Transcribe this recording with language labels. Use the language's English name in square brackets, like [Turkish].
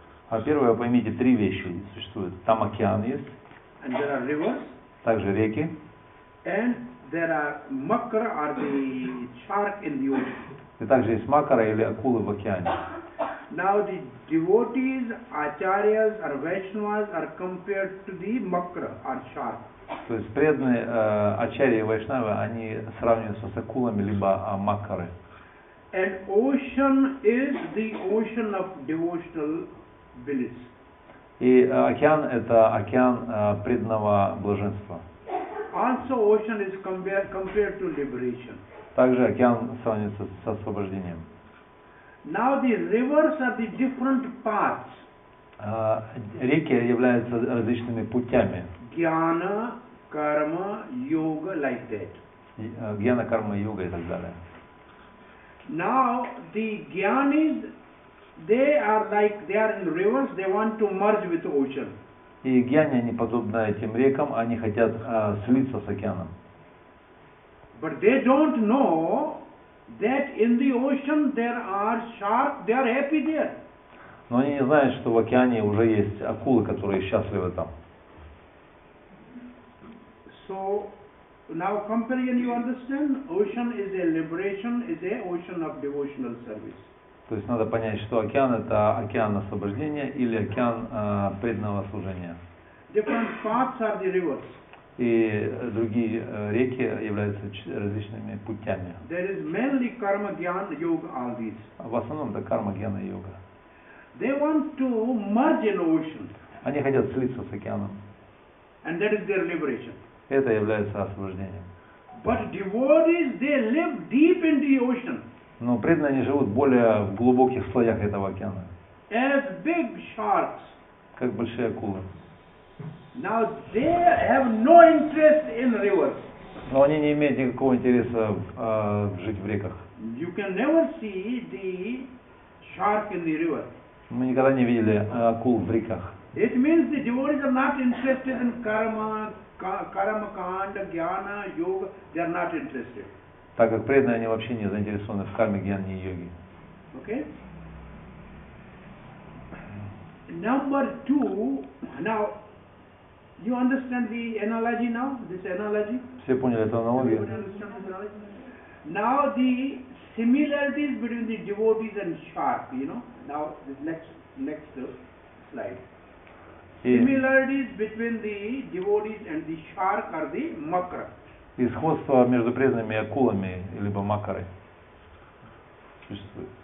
[Russian] А первое, поймите, три вещи существуют. Там океан есть. [English] And there are rivers. [Russian] Также реки. [English] And there are makra or the shark in the ocean. [Russian] И также есть макара или акулы в океане. [English] Now the devotees, acharyas or vaishnavas are compared to the makra or shark. [Russian] То есть преданные ачарьи и вайшнавы, они сравниваются с акулами либо макары. [English] And ocean is the ocean of devotional bliss. [Russian] И океан это океан преданного блаженства. [English] Also ocean is compared to liberation. [Russian] Также океан сравнится с освобождением. [English] Now the rivers are the different paths. [Russian] Реки являются различными путями. Гьяна, карма, йога, [English] like that. [Russian] Гьяна, карма, йога и так далее. [English] Now the gyanis, they are like they are in rivers. They want to merge with the ocean. [Russian] И гьяни они подобны этим рекам, они хотят слиться с океаном. [English] But they don't know that in the ocean there are sharks. They are happy there. [Russian] Но они не знают, что в океане уже есть акулы, которые счастливы там. [English] So. Now, comparison, you understand? Ocean is a liberation, is a ocean of devotional service. [Russian] То есть надо понять, что океан это океан освобождения или океан преданного служения. [English] Different paths are the rivers. [Russian] И другие реки являются различными путями. [English] There is mainly karma, jnana, yoga, all these. [Russian] В основном это карма, джнана, йога. [English] They want to merge in ocean. [Russian] Они хотят слиться с океаном. [English] And that is their liberation. [Russian] Это является освобождением. [English] But devotees, they live deep in the ocean. [Russian] Но преданные они живут более в глубоких слоях этого океана. [English] As big sharks. [Russian] Как большие акулы. [English] Now they have no interest in rivers. [Russian] Но они не имеют никакого интереса жить в реках. [English] You can never see the shark in the river. [Russian] Мы никогда не видели акул в реках. [English] It means the devotees are not interested in karma. Карма, канда, гьяна, йога, they are not interested. [Russian] Так как преданные они вообще не заинтересованы в карме, гьяне и йоге. [English] Okay. Number two. Now, you understand the analogy now? This analogy? [Russian] Все поняли эту аналогию? [English] Now the similarities between the devotees and shark, you know? Now the next slide. Similarities between the devotees and the shark are the makra. [Russian] И сходство между преданными акулами либо макарой существует.